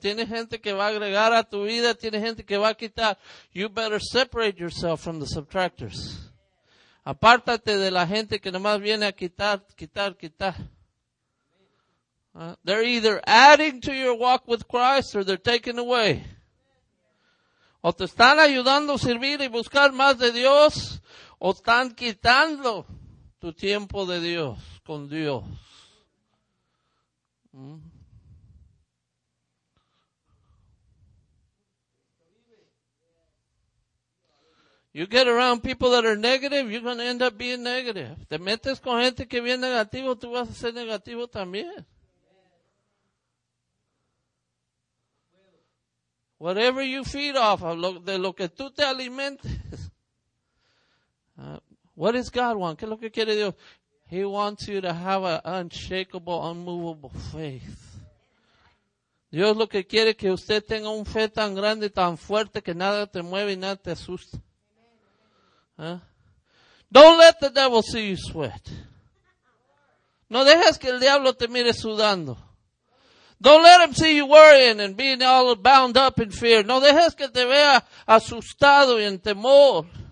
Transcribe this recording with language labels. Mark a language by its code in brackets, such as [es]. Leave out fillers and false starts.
[es] Tiene gente que va a agregar a tu vida. Tiene gente que va a quitar. [en] You better separate yourself from the subtractors. [es] Apártate de la gente que nomás viene a quitar, quitar, quitar. [en] They're either adding to your walk with Christ or they're taking away. [es] O te están ayudando a servir y buscar más de Dios o están quitando tu tiempo de Dios con Dios. [en] You get around people that are negative, you're going to end up being negative. [es] Te metes con gente que viene negativo, tú vas a ser negativo también. [en] Whatever you feed off of, [es] de lo que tú te alimentes. [en] What does God want? [es] ¿Qué es lo que quiere Dios? [en] He wants you to have an unshakable, unmovable faith. [es] Dios lo que quiere que usted tenga un fe tan grande y tan fuerte que nada te mueve y nada te asusta. [en] Don't let the devil see you sweat. [es] No dejes que el diablo te mire sudando. [en] Don't let him see you worrying and being all bound up in fear. [es] No dejes que te vea asustado y en temor.